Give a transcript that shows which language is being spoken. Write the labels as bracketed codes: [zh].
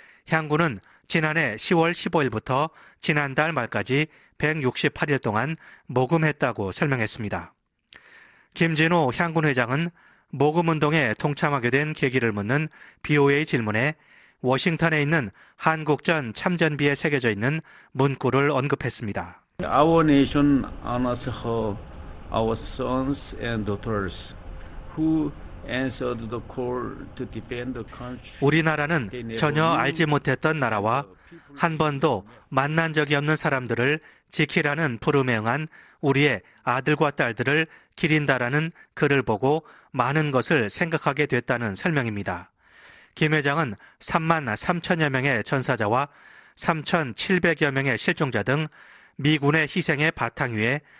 [ko] 향군은 지난해 10월 15일부터 지난달 말까지 168일 동안 모금했다고 설명했습니다. 김진호 향군 회장은 모금운동에 동참하게 된 계기를 묻는 BOA 질문에 워싱턴에 있는 한국전 참전비에 새겨져 있는 문구를 언급했습니다. [en] Our nation honors our sons and daughters who answered the call to defend the country. [ko] 우리나라는 전혀 알지 못했던 나라와 한 번도 만난 적이 없는 사람들을 지키라는 부름에 응한 우리의 아들과 딸들을 기린다라는 글을 보고 많은 것을 생각하게 됐다는 설명입니다. 김 회장은 3만 3천여 명의 전사자와 3,700여 명의 실종자 등 미군의 희생의 바탕 위에